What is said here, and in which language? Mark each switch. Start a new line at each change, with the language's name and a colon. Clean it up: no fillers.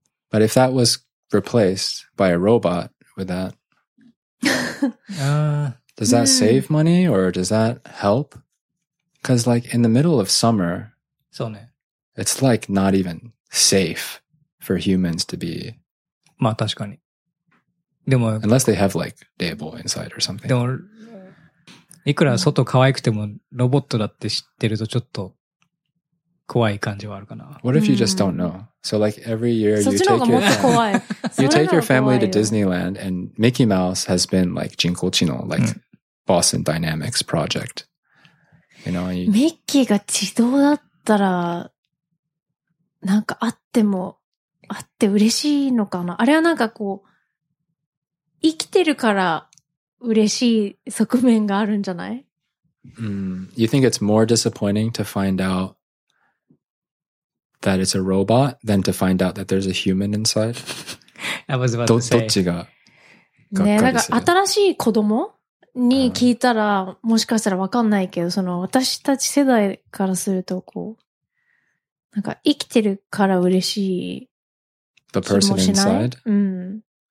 English: But if that was replaced by a robot, would that, does that save money or does that help? Cause like in the middle of summer,
Japanese: そうね。
English: It's like not even safe for humans to be.
Japanese: まあ確かに。でも、
English: unless they have like Daebo inside or something.
Japanese: でも、いくら外可愛くてもロボットだって知ってるとちょっと、怖い感じはあるかな。
English: What if you just don't know? So like every year you take your you take your family to Disneyland and Mickey Mouse has been like 人工知能 like Boston Dynamics project. You know, you...
Japanese: ミッキーが自動だったらなんかあってもあって嬉しいのかな。あれはなんかこう生きてるから嬉しい側面があるんじゃない？
English: You think it's more disappointing to find outthat it's a robot than to find out that there's a human inside? I was about to say.
Japanese: どっちが、ね、なんか新しい子供に聞いたら、もしかしたら分かんないけど、その私たち世代からするとこう、なんか生きてるから嬉しい。
English: The person inside?
Japanese: うん。